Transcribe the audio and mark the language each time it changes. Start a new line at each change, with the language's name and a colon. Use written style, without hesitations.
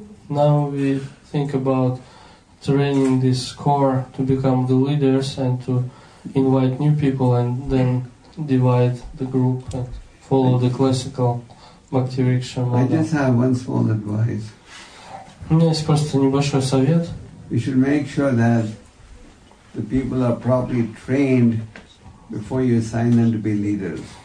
English: now we think about training this core to become the leaders and to invite new people and then divide the group and follow the classical Bhakti Riksha model. I just have one small advice.
Russian: У меня есть просто небольшой совет.
English: You should make sure that the people are properly trained before you assign them to be leaders.